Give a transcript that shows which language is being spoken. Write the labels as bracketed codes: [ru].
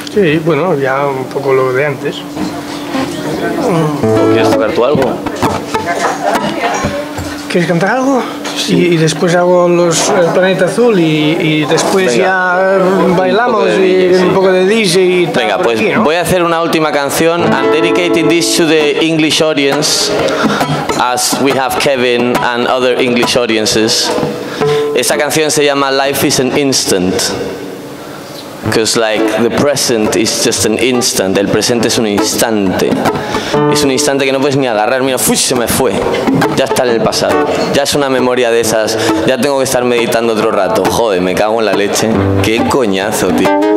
[es] Sí, bueno, ya un poco lo de antes. ¿Quieres tocar tú algo? ¿Quieres cantar algo? Sí. Y después hago los el Planeta Azul y después venga, ya bailamos y un poco de DJ, sí, y tal. Venga, pues aquí, ¿no? Voy a hacer una última canción. [en] I'm dedicating this to the English audience, as we have Kevin and other English audiences. [es] Esta canción se llama Life is an Instant. [en] Because like the present is just an instant, [es] el presente es un instante. Es un instante que no puedes ni agarrar, mira, ¡fuch! Se me fue. Ya está en el pasado. Ya es una memoria de esas. Ya tengo que estar meditando otro rato. Joder, me cago en la leche. Qué coñazo, tío.